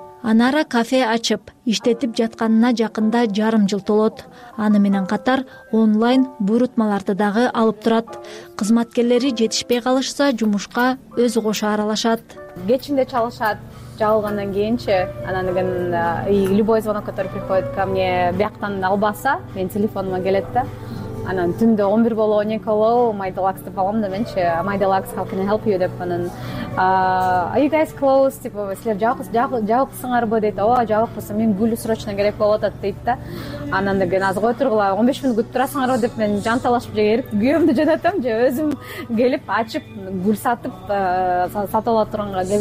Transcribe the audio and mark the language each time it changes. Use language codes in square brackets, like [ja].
[ky] Анара кафе ачып, иштетип жатканына жакында жарым жыл толот. Аны менен катар онлайн буйрутмаларды дагы алып турат. Кызматкерлери жетишпей калышса, жумушка өз кошо аралашат. Кечинде чалышат, жабылгандан кийинчи. Анан деген [ru] любой звонок, который приходит ко мне, [ky] бияктан албаса, мен телефонума келет да. Анан түндө 11 болобу, 12 болобу, My Deluxe деп алам да менчи. [en] My Deluxe, how can I help you [ky] деп анан [en] are you guys closed? [ky] Типа, силер жабыксыңарбы дейт. Ооба, жабыкпыз. Мен гүлү срочно керек болуп атат дейт да. Анан деген аз кое тургула, 15 мүнөт күтүп турасыңарбы деп мен жанталашып же керип күйөөмдү жөнөтөм, же өзүм келип ачып гүл сатып сатып ала турганга.